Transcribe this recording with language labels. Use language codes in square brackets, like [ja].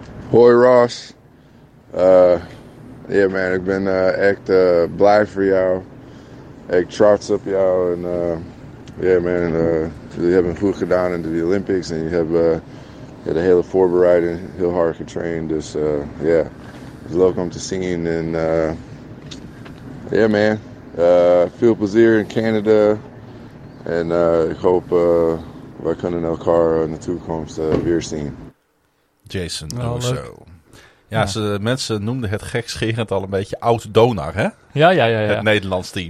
[nl] Hoi, Ross. [en] Yeah, man, [nl] ik ben echt blij voor jou. Ik trots op jou. En [en] yeah, man, [nl] jullie hebben goed gedaan in de Olympics. En je hebt de hele voorbereiding heel hard getraind. Dus ja. [en] Welcome to singing and yeah, man. [nl] Veel plezier in Canada en ik hoop we kunnen elkaar in de toekomst weer zien. Jason, Derusso. Ja, ja. Mensen noemden het gekscherend al een beetje oud Donar, hè? Ja. Het Nederlands team.